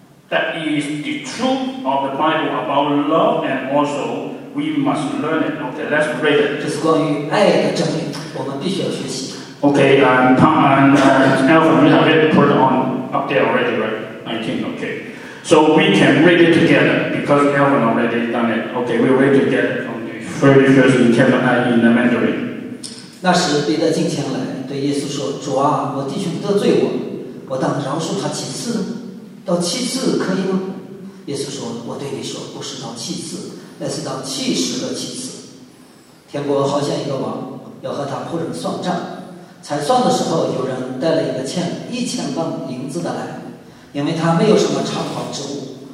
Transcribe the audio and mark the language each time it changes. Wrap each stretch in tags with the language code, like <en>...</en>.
<en>That is the truth of the Bible about love, and also we must learn it. Okay, let's read it.</en> <zh>这是关于爱的真理，我们必须要学习。</zh> <en>Okay, Alvin, we have it put on up there already, right? 19, okay. So we can read it together because Alvin already done it. Okay, we read it together from the 31st in chapter 9 in the Mandarin.</en> <zh>那时彼得近前来，对耶稣说：“主啊，我弟兄得罪我，我当饶恕他几次？” 到七次可以吗？耶稣说：“我对你说，不是到七次，乃是到70个七次。天国好像一个王，要和他仆人算账。才算的时候，有人带了一个欠1000万银子的来，因为他没有什么偿还之物。</zh>